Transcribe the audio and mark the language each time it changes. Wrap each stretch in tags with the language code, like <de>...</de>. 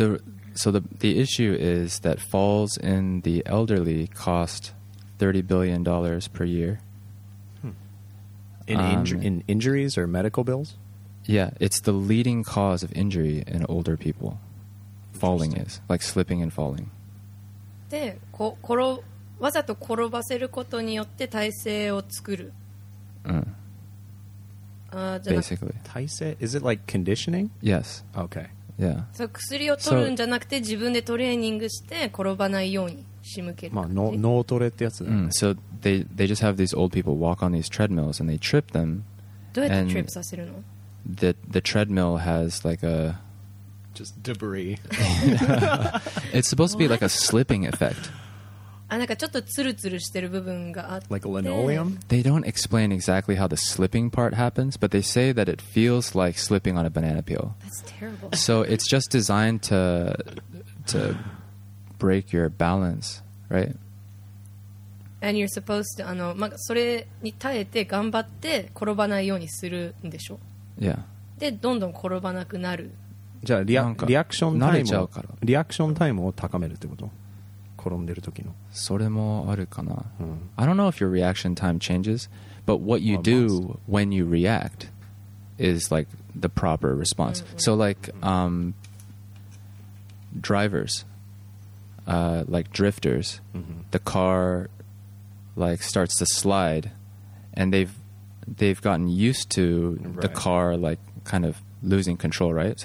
<en>The issue is that falls in the elderly cost $30 billion per year. In injuries or medical bills? Yeah, it's the leading cause of injury in older people. Falling is like slipping and falling.</en> <ja>で、こ、転、わざと転ばせることによって体勢を作る。</ja> <en>Basically. 体勢?Is it like conditioning? Yes. Okay. Yeah.</en> <ja>そう、薬を取るんじゃなくて自分でトレーニングして転ばないように仕向ける。まあ、脳トレってやつだ。</ja> <en>So they just have these old people walk on these treadmills and they trip them.</en> <ja>どうやってトリップさせるの?</ja> <en>The treadmill has like a... Just debris. It's supposed to be like a slipping effect. Like linoleum? They don't explain exactly how the slipping part happens, but they say that it feels like slipping on a banana peel. That's terrible. So it's just designed to break your balance, right? And you're supposed to,</en> <ja>それに耐えて頑張って転ばないようにするんでしょ?</ja> <en>Yeah.</en> <ja>で、どんどん転ばなくなる。じゃあリアクションタイムを高めるってこと? 転んでる時の。それもあるかな。</ja> <en>I don't know if your reaction time changes, but what you do when you react is like the proper response. So like drivers, like drifters, the car like starts to slide and they've gotten used to the car like kind of,losing control, right?</en>